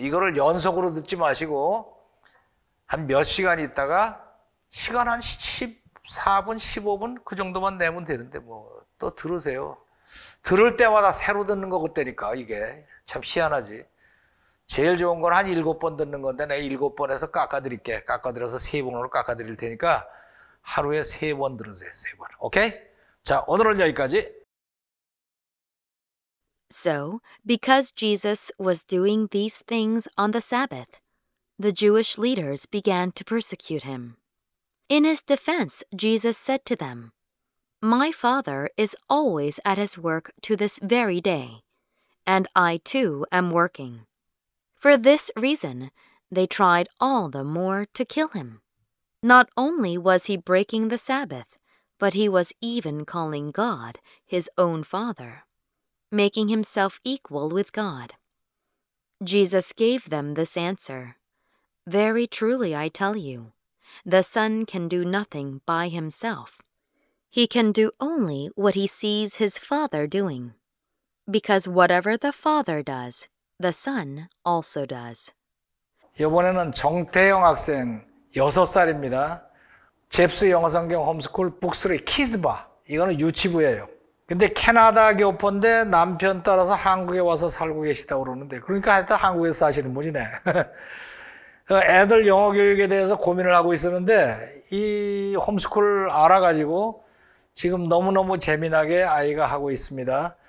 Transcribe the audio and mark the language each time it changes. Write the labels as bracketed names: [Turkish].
[Korean] 이거를 연속으로 듣지 마시고. 한 몇 시간 있다가 시간 한 14분, 15분 그 정도만 내면 되는데 뭐 또 들으세요. 들을 때마다 새로 듣는 거 같다니까 이게 참 희한하지. 제일 좋은 건 한 7번 듣는 건데 내가 7번에서 깎아드릴게. 깎아드려서 3번으로 깎아드릴 테니까 하루에 3번 들으세요. 3번. 오케이? 자, 오늘은 여기까지. [English] So, because Jesus was doing these things on the Sabbath, the Jewish leaders began to persecute him. In his defense, Jesus said to them, My Father is always at his work to this very day, and I too am working. For this reason, they tried all the more to kill him. Not only was he breaking the Sabbath, but he was even calling God his own Father, making himself equal with God. Jesus gave them this answer, Very truly I tell you, The Son can do nothing by himself. He can do only what he sees his Father doing. Because whatever the Father does, the Son also does. [Korean] 이번에는 정태영 학생 6살입니다. 젭스 영어성경 홈스쿨 북스리 키즈바. 이거는 유치부예요. 근데 캐나다 교포인데 남편 따라서 한국에 와서 살고 계시다고 그러는데, 그러니까 하여튼 한국에서 사시는 분이네. 애들 영어 교육에 대해서 고민을 하고 있었는데 이 홈스쿨 알아가지고 지금 너무너무 재미나게 아이가 하고 있습니다.